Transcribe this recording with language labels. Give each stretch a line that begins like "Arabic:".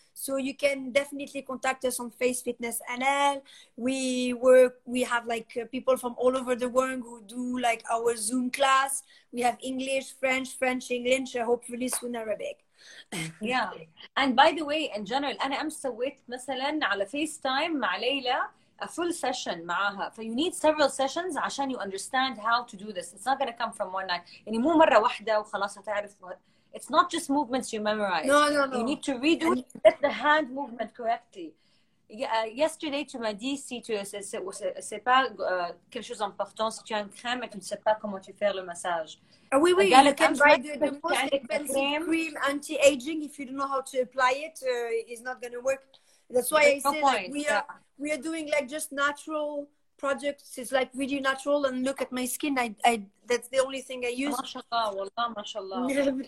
English: So you can definitely contact us on Face Fitness NL. We work, we have like people from all over the world who do like our Zoom class. We have English, French, English, hopefully soon Arabic. Yeah. And by the way, in general,
Arabic: أنا أمس سويت مثلاً على FaceTime مع ليلى
English: a full session معها. So you need several sessions عشان you understand how to do this. It's not going to come from one night.
Arabic: يعني مو مرة واحدة وخلاص هتعرف.
English: It's not just movements you memorize. No. You need to redo it, get the hand movement correctly.
French: Yesterday, tu m'as dit si tu c'est pas quelque chose d'important si tu as une crème et tu ne sais pas comment tu fais le massage.
English: Oui, you can try the most expensive cream anti-aging. If you don't know how to apply it, it's not going to work. That's why I say like, we are doing like just natural products. It's like really natural. And look at my skin. I that's the only thing I use.
Arabic: MashaAllah, wallah, MashaAllah.